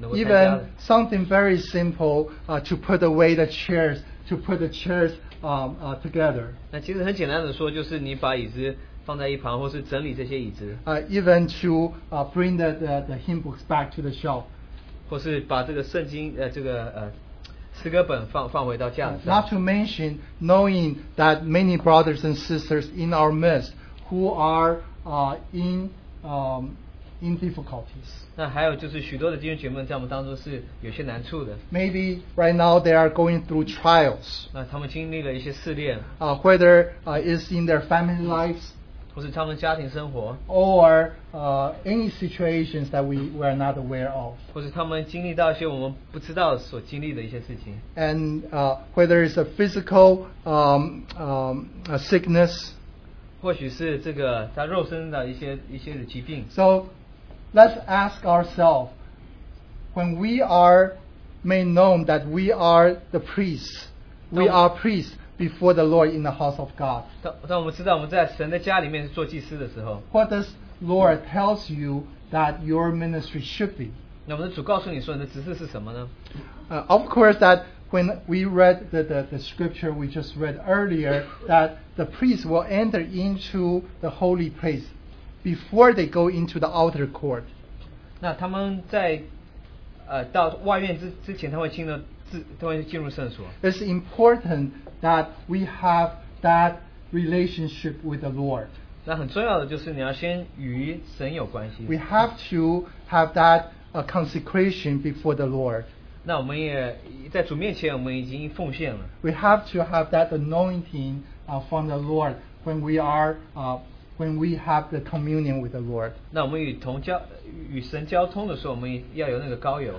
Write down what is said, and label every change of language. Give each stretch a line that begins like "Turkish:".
English: Even something very simple, to put away the chairs, together.
Chinese: 那其实很简单的说，就是你把椅子放在一旁，或是整理这些椅子。
English: Even to bring the hymn books back to the shelf.
Chinese: 或是把这个圣经，这个。诗歌本放回到架上,
English: not to mention knowing that many brothers and sisters in our midst who are in difficulties.
Chinese: 那还有就是许多的弟兄姐妹在我们当中是有些难处的,
English: maybe right now they are going through trials.
Chinese: 那他们经历了一些试炼,
English: whether it's in their family lives,
Chinese: 或是他们家庭生活,
English: or any situations that we are not aware of. And whether it's a physical a sickness.
Chinese: 或许是这个在肉身的一些疾病,
English: so let's ask ourselves, when we are made known that we are the priests, we are priests before the Lord in the house of God.
Chinese: 当我们知道我们在神的家里面做祭司的时候,
English: what does Lord tells you that your ministry should be?
Chinese: 那我们的主告诉你说你的职事是什么呢?
English: Of course that when we read the scripture we just read earlier, that the priest will enter into the holy place before they go into the outer court.
Chinese: 那他们在 到外面之前他会进入圣所。
English: It's important that we have that relationship with the Lord.
Chinese: 那很重要的就是你要先与神有关系。
English: We have to have that consecration before the Lord.
Chinese: 那我们也在主面前我们已经奉献了。
English: We have to have that anointing from the Lord when we are when we have the communion with the Lord.
Chinese: 那我们与神交通的时候我们要有那个膏油。